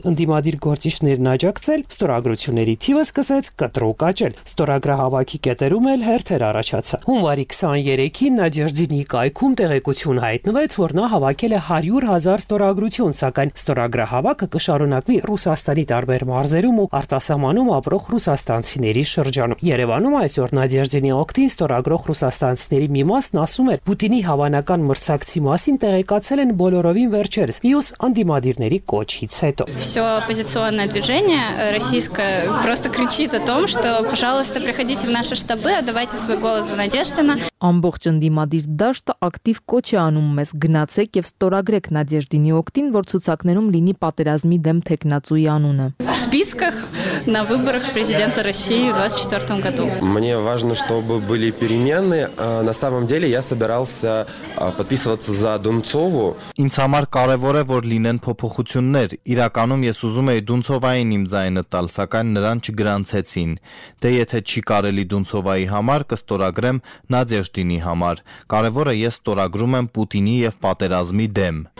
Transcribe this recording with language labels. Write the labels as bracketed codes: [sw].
[hy] ընդդիմադիր գործիչներն աջակցել, ստորագրությունների թիվը սկսեց կտրուկ աճել։ Ստորագրահավաքի կետերում էլ հերթեր առաջացավ։ Հունվարի 23-ին Նադեժդինի կայքում տեղեկություն հայտնվեց, որ նա հավաքել է 100,000 ստորագրություն, սակայն ստորագրահավաքը կշարունակվի Ռուսաստանի տարբեր մարզերում ու արտասահմանում ապրող ռուսաստանցիների շրջանում։ Երևանում այսօր Նադեժդինի օգտին ստորագրող ռուսաստանցիների մի մասն ասում էր, Պուտինի հավանական մրցակցի մասին տեղեկացել են բոլորովին վերջերս՝ մյուս անդիմադիրների կոչից հետո։ [ru] Всё оппозиционное движение российское просто кричит о том, что, пожалуйста, приходите в наши штабы, отдавайте свой голос за Надеждина. [hy] Ամբողջ ընդդիմադիր դաշտը ակտիվ կոչ է անում մեզ գնացեք և ստորագրեք Նադեժդինի օգտին, որ ցուցակներում լինի պատերազմի դեմ թեկնածուի անունը։ [ru] Списках на выборах президента России в 24-м году. Мне важно, чтобы были перемены. На самом деле я собирался подписываться за Дунцову. [hy] Ինձ համար կարևոր է, որ լինեն փոփոխություններ. Իրականում ես ուզում էի Դունցովային իմ ձայնը տալ, սակայն նրան չգրանցեցին։ Դե եթե չի կարելի Դունցովայի համար, կստորագրեմ Նադեժդինի համար։ Կարևորը ես ստորագրում եմ Պուտինի և պատերազմի դեմ։